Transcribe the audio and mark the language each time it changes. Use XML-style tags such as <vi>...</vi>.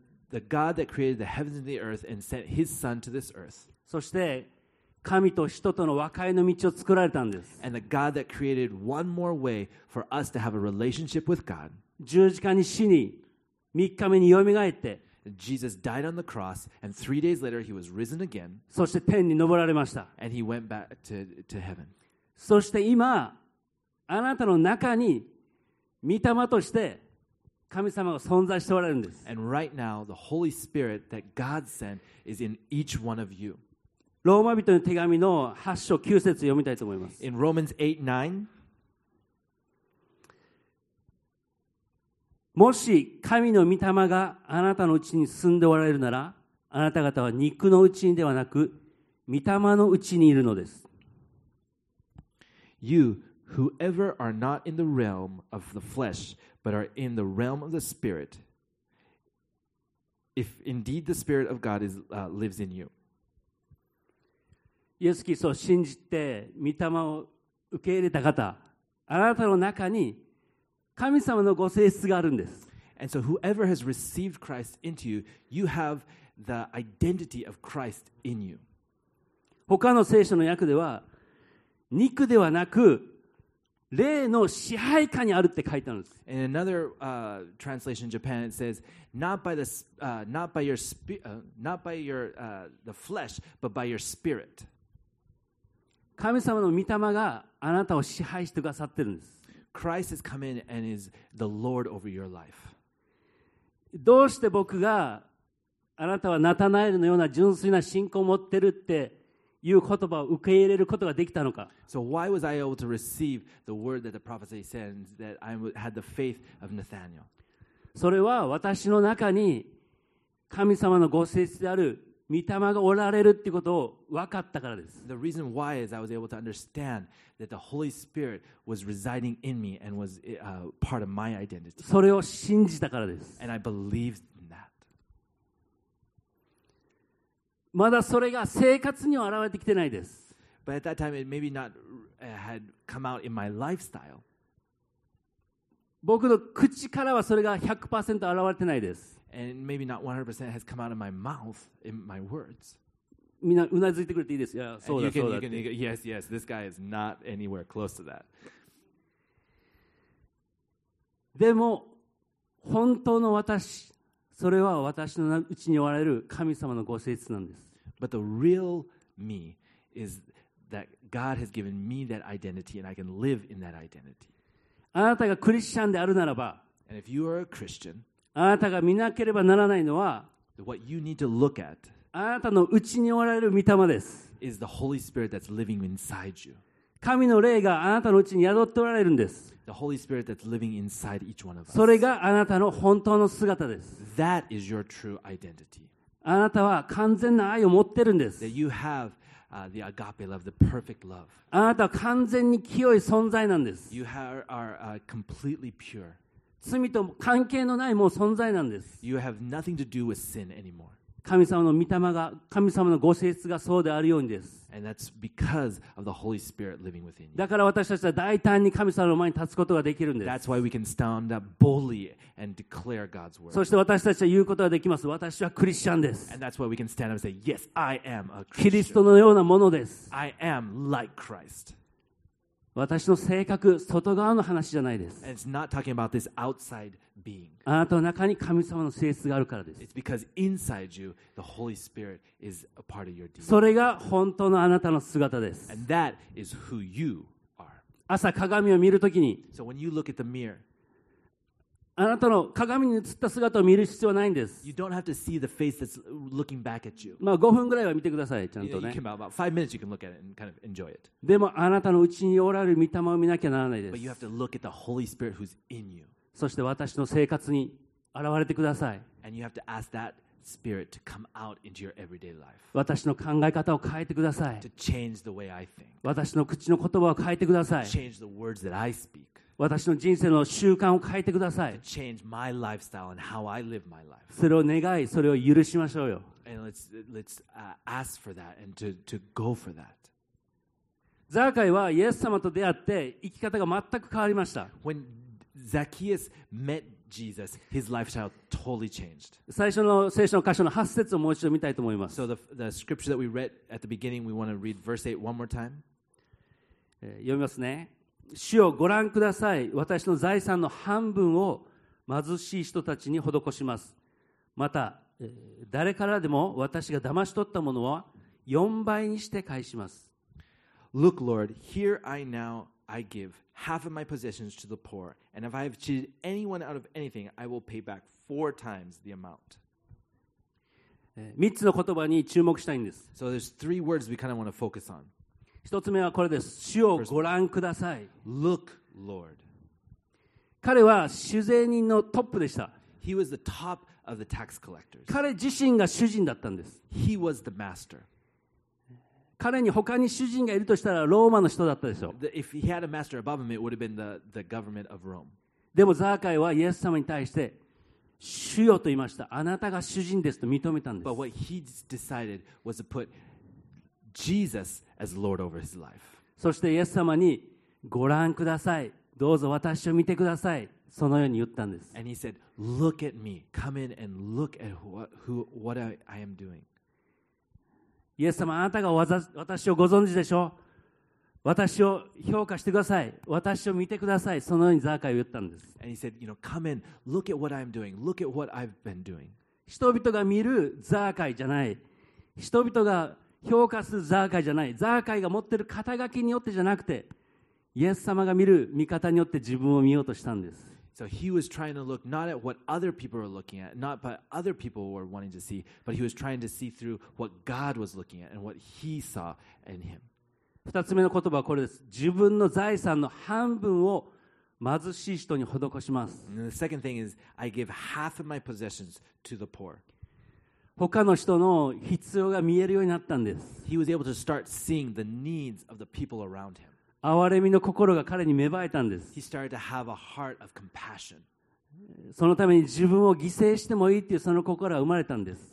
<en>The God that created the heavens and the earth and sent His Son to this earth.</en> <ja>そして神と人との和解の道を作られたんです。</ja> <en>And the God that created one more way for us to have a relationship with God.</en> <ja>十字架に死に、三日目によみがえって。</ja> <en>Jesus died on the cross, and three days later he was risen again.</en> <ja>そして天に昇られました。</ja> <en>And he went back to heaven.</en> <ja>そして今、あなたの中に御霊として神様が存在しておられるんです。</ja> <en>And right now, the Holy Spirit that God sent is in each one of you.</en> <ja>ローマ人の手紙の8章9節を読みたいと思います。</ja> <en>In Romans 8, 9,</en> <ja>もし神の御霊があなたのうちに住んでおられるなら、あなた方は肉のうちにではなく、御霊のうちにいるのです。</ja> <en>You, whoever are not in the realm of the flesh, but are in the realm of the spirit, if indeed the spirit of God lives in you.</en> <ja>イエス・キリストを信じて御霊を受け入れた方、あなたの中に神様のご性質があるんです。</ja> <en>And so whoever has received Christ into you, you have the identity of Christ in you.</en> <ja>他の聖書の訳では、肉ではなく霊の支配下にあるって書いてあるんです。</ja> <en>In another translation in Japan, it says, not by your flesh, but by your spirit.</en> <ja>神様の御霊があなたを支配してくださってるんです。</ja> <en>Christ has come in and is the Lord over your life.</en> <ja>どうして僕があなたはナタナエルのような純粋な信仰を持ってるっていう言葉を受け入れることができたのか。</ja> <en>So why was I able to receive the word that the prophecy sends that I had the faith of Nathanael?</en> <ja>それは私の中に神様のご性質である御霊がおられるってことを分かったからです。</ja> <en>The reason why is I was able to understand that the Holy Spirit was residing in me and was part of my identity.</en> <ja>それを信じたからです。</ja> <en>And I believed in that.</en> <ja>まだそれが生活には現れてきてないです。</ja> <en>But at that time it maybe not had come out in my lifestyle.</en> <ja>僕の口からはそれが 100% 現れてないです。</ja> <en>And maybe not 100% has come out of my mouth in my words.</en> <ja>みんなうなずいてくれていいです。いや、そうだ、そうだ。</ja> <en>Yes, yes. This guy is not anywhere close to that.</en> <ja>でも本当の私、それは私のうちにおられる神様のご性質なんです。</ja> <en>But the real me is that God has given me that identity, and I can live in that identity.</en> <ja>あなたがクリスチャンであるならば、</ja> <en>and if you are a Christian.</en> <ja>あなたが見なければならないのは、あなたの内におられる御霊です。</ja> <en>Is the Holy Spirit that's living inside you.</en> <ja>神の霊があなたの内に宿っておられるんです。</ja> <en>The Holy Spirit that's living inside each one of us.</en> <ja>それがあなたの本当の姿です。</ja> <en>That is your true identity.</en> <ja>あなたは完全な愛を持ってるんです。</ja> <en>That you have, the agape love, the perfect love.</en> <ja>あなたは完全に清い存在なんです。</ja> <en>You are, completely pure.</en> <ja>罪と関係のないもう存在なんです。</ja> <en>You have nothing to do with sin anymore.</en> <ja>神様の御霊が、神様のご性質がそうであるようにです。</ja> <en>And that's because of the Holy Spirit living within you.</en> <ja>だから私たちは大胆に神様の前に立つことができるんです。</ja> <en>That's why we can stand up boldly and declare God's word.</en> <ja>そして私たちは言うことができます。私はクリスチャンです。</ja> <en>And that's why we can stand up and say, Yes, I am a Christian.</en> <ja>キリストのようなものです。</ja> <en>I am like Christ.</en> <ja>私の性格、外側の話じゃないです。</ja> <en>It's not talking about this outside being.</en> <ja>あなたの中に神様の性質があるからです。</ja> <en>It's because inside you, the Holy Spirit is a part of your DNA.</en> <ja>それが本当のあなたの姿です。</ja> <en>And that is who you are.</en> <ja>朝鏡を見るときに、</ja> <en>So when you look at the mirror,</en> <ja>あなたの鏡に映った姿を見る必要はないんです。</ja> <en>You don't have to see the face that's looking back at you.</en> <ja>まあ5分ぐらいは見てください、ちゃんとね。</ja> <en>You know, about 5 minutes you can look at it and kind of enjoy it.</en> <ja>でもあなたの内におられる御霊を見なきゃならないです。</ja> <en>But you have to look at the Holy Spirit who's in you.</en> <ja>そして私の生活に現れてください。</ja> <en>And you have to ask that Spirit to come out into your everyday life.</en> <ja>私の考え方を変えてください。</ja> <en>To change the way I think.</en> <ja>私の口の言葉を変えてください。</ja> <en>To change the words that I speak.</en> <ja>私の人生の習慣を変えてください。</ja> <en>Change my lifestyle and how I live my life.</en> <ja>それを願い、それを許しましょうよ。</ja> <en>And let's ask for that and to go for that.</en> <ja>ザーカイはイエス様と出会って生き方が全く変わりました。</ja> <en>When Zacchaeus met Jesus, his lifestyle totally changed.</en> <ja>最初の聖書の箇所の8節をもう一度見たいと思います。</ja> <en>So the scripture that we read at the beginning, we want to read verse 8 one more time.</en> <ja>読みますね。主よご覧ください。私の財産の半分を貧しい人たちに施します。また、誰からでも私が騙し取ったものは4倍にして返します。</ja> <en>Look, Lord, here I now I give half of my possessions to the poor, and if I have cheated anyone out of anything, I will pay back four times the amount.</en> <ja>3つの言葉に注目したいんです。</ja> <en>So there's three words we kind of want to focus on.</en> <ja>一つ目はこれです。主をご覧ください。</ja> <en>Look, Lord.</en> <ja>彼は主税人のトップでした。</ja> <en>He was the top of the tax collectors.</en> <ja>彼自身が主人だったんです。</ja> <en>He was the master.</en> <ja>彼に他に主人がいるとしたらローマの人だったでしょう。</ja> <en>If he had a master above him, it would have been the government of Rome.</en> <ja>でもザーカイはイエス様に対して主よと言いました。あなたが主人ですと認めたんです。</ja> <en>But what he decided was to put Jesus as Lord over his life.</en> <ja>そしてイエス様にご覧ください。どうぞ私を見てください。そのように言ったんです。</ja> <en>And he said, "Look at me. Come in and look at what I am doing."</en> <ja>イエス様、あなたが私をご存知でしょう。私を評価してください。私を見てください。そのようにザーカイは言ったんです。</ja> <en>And he said, "You know, come in. Look at what I am doing. Look at what I've been doing."</en> <ja>人々が見るザーカイじゃない。人々が評価するザーカイじゃない、ザーカイが持ってる肩書きによってじゃなくて、イエス様が見る見方によって自分を見ようとしたんです。</ja> <en>So he was trying to look not at what other people were looking at, not what other people were wanting to see, but he was trying to see through what God was looking at and what he saw in him.</en> <ja>二つ目の言葉はこれです。自分の財産の半分を貧しい人に施します。</ja> <en>And the second thing is, I give half of my possessions to the poor.</en> <ja>他の人の必要が見えるようになったんです。</ja> <en>He was able to start seeing the needs of the people around him.</en> <ja>憐れみの心が彼に芽生えたんです。</ja> <en>He started to have a heart of compassion.</en> <ja>そのために自分を犠牲してもいいというその心が生まれたんです。</ja>